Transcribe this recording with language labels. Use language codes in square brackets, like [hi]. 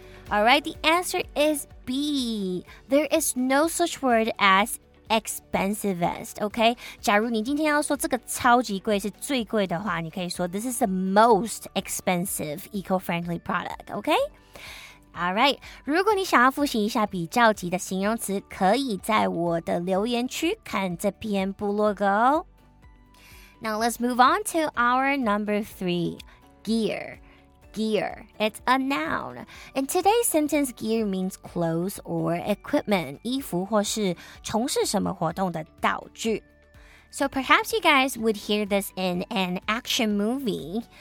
[en] All right, the answer is B. There is no such word as expensivest, okay? [zh] 假如你今天要说这个超级贵是最贵的话，你可以说 [en] this is the most expensive eco-friendly product, okay? [zh] All right, 如果你想要复习一下比较级的形容词，可以在我的留言区看这篇部落格哦。 [en] Now let's move on to our number 3, gear. Gear, it's a noun. In today's sentence, gear means clothes or equipment, [zh] 衣服或是从事什么活动的道具。 [en] So perhaps you guys would hear this in an action movie.